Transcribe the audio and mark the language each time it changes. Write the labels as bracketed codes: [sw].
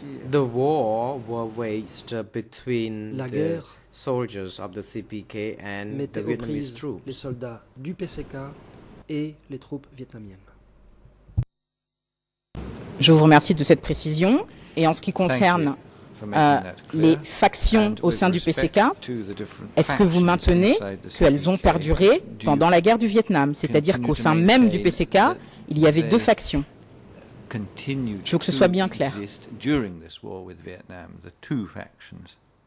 [en] The war was waged between the soldiers of the CPK and the Vietnamese troops. [fr] Les soldats du PCK et les troupes vietnamiennes. Je vous remercie de cette précision. Et en ce qui concerne les factions au sein du PCK, est-ce que vous maintenez qu'elles ont perduré pendant la guerre du Vietnam, c'est-à-dire qu'au sein même du PCK, il y avait deux factions? Je veux que ce soit bien clair. [en] During this war with Vietnam, the two factions.